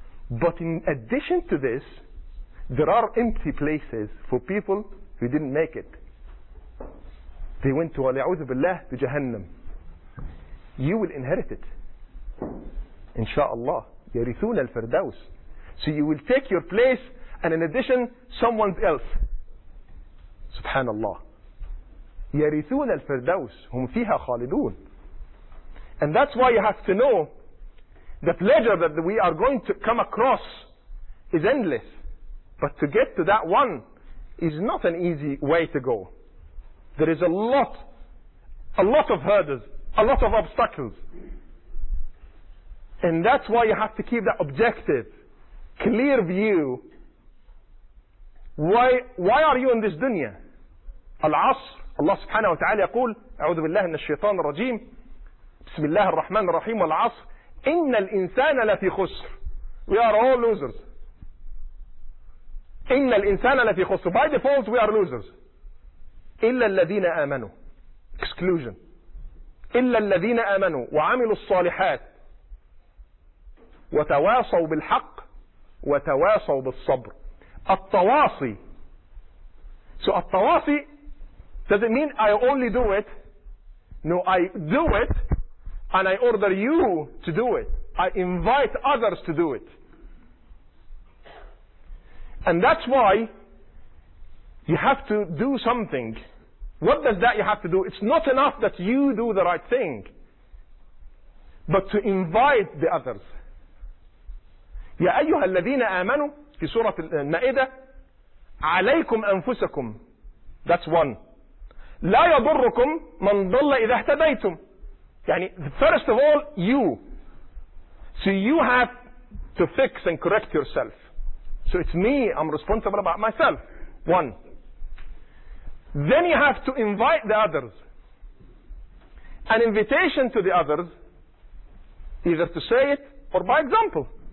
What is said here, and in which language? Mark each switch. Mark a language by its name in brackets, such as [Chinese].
[English] But in addition to this, there are empty places for people who didn't make it. They went to [Arabic] وَلِعُوذُ بِاللَّهِ [English] to Jahannam. You will inherit it. InshaAllah. [Arabic] يَرِثُونَ الْفِرْدَوْسِ. [English] So you will take your place and in addition someone else. [Arabic] سبحان الله. يرثون الفردوس هم فيها خالدون. [English] And that's why you have to know that ledger that we are going to come across is endless. But to get to that one is not an easy way to go. There is a lot of hurdles, a lot of obstacles. And that's why you have to keep that objective, clear view. Why are you in this dunya? [Arabic] Al-Asr, Allah subhanahu wa ta'ala يقول, أعوذ بالله من الشيطان الرجيم, بسم الله الرحمن الرحيم, والعصر, إن الإنسان لفي خسر. [English] We are all losers. [Arabic] إن الإنسان لفي خسر. [English] By default, we are losers. [Arabic] إلا الذين آمنوا. [English] Exclusion. [Arabic] إلا الذين آمنوا وعملوا الصالحات وتواصوا بالحق وتواصوا بالصبر. التواصي. [English] So التواصي doesn't mean I only do it. No, I do it and I order you to do it. I invite others to do it. And that's why you have to do something. What does that you have to do? It's not enough that you do the right thing, but to invite the others. [Arabic] يا أيها الذين آمنوا في سورة المائدة عليكم أنفسكم. [English] That's one. [Arabic] لا يضركم من ضل إذا اهتديتم. [English] يعني first of all you. So you have to fix and correct yourself. So it's me, I'm responsible about myself. One. Then you have to invite the others. An invitation to the others, either to say it or by example.